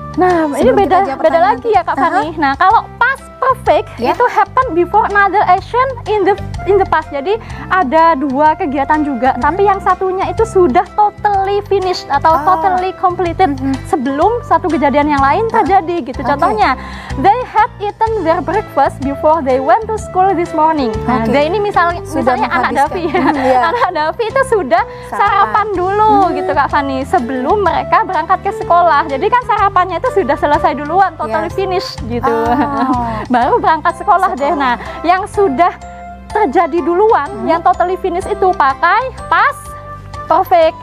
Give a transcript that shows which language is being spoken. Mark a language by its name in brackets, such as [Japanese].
[Indonesian] Nah, ini beda lagi ya Kak Fani. Nah, kalau past perfect itu [English] happen before another action in the past. [Indonesian] Jadi ada dua kegiatan juga, tapi yang satunya itu sudah [English] totally finished [Indonesian] atau [English] totally completed [Indonesian] sebelum satu kejadian yang lain terjadi gitu. [English] Contohnya, they had eaten their breakfast before they went to school this morning. [Indonesian] Nah, they ini misalnya anak Davi. Anak Davi itu sudah sarapan dulu gitu Kak Fani sebelum mereka berangkat ke sekolah. Jadi kan sarapannya itu sudah selesai duluan, [English] totally finished [Indonesian] gitu. Baru berangkat sekolah deh. Nah, yang sudah terjadi duluan, yang [English] totally finish [Indonesian] itu pakai past perfect.